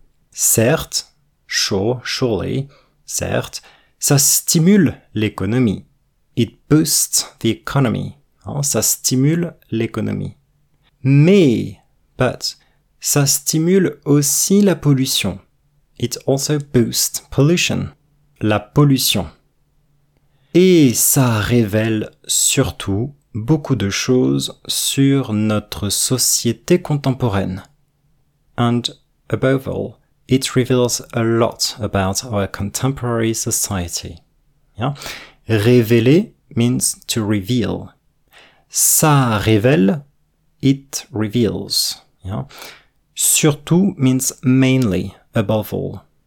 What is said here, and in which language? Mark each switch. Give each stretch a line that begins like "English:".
French: Certes, sure, surely, certes, ça stimule l'économie.
English: It boosts the economy.
French: Hein, ça stimule l'économie. Mais, but, ça stimule aussi la pollution.
English: It also boosts pollution.
French: La pollution. Et ça révèle surtout beaucoup de choses sur notre société contemporaine.
English: And above all, it reveals a lot about our contemporary society. Yeah? Révéler means to reveal.
French: Ça révèle,
English: it reveals. Yeah? Surtout means mainly, above all.